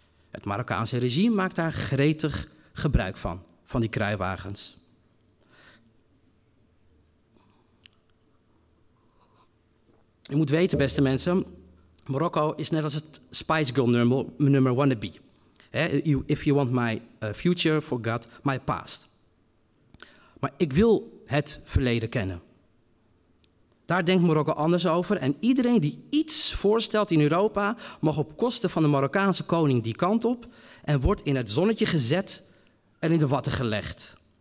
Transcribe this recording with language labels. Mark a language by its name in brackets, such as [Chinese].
[Dutch] Het Marokkaanse regime maakt daar gretig gebruik van die kruiwagens. Je moet weten, beste mensen, Marokko is net als het Spice Girl nummer wannabe. [English] If you want my future, forget my past. [Dutch] Maar ik wil het verleden kennen. Daar denkt Marokko anders over en iedereen die iets voorstelt in Europa mag op kosten van de Marokkaanse koning die kant op en wordt in het zonnetje gezet en in de watten gelegd.